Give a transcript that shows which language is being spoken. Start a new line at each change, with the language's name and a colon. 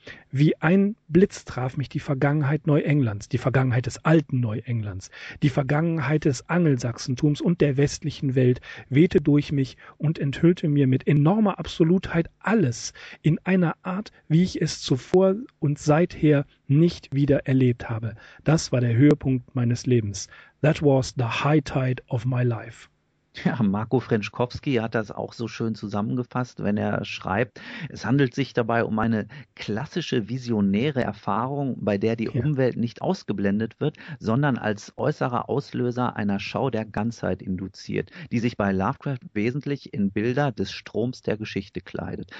German: Wie ein Blitz traf mich die Vergangenheit Neuenglands, die Vergangenheit des alten Neuenglands, die Vergangenheit des Angelsachsentums und der westlichen Welt wehte durch mich und enthüllte mir mit enormer Absolutheit alles in einer Art, wie ich es zuvor und seither nicht wieder erlebt habe. Das war der Höhepunkt meines Lebens.
English: That was the high tide of my life.
German: Ja, Marco Frenschkowski hat das auch so schön zusammengefasst, wenn er schreibt: Es handelt sich dabei um eine klassische visionäre Erfahrung, bei der die Umwelt nicht ausgeblendet wird, sondern als äußerer Auslöser einer Schau der Ganzheit induziert, die sich bei Lovecraft wesentlich in Bilder des Stroms der Geschichte kleidet.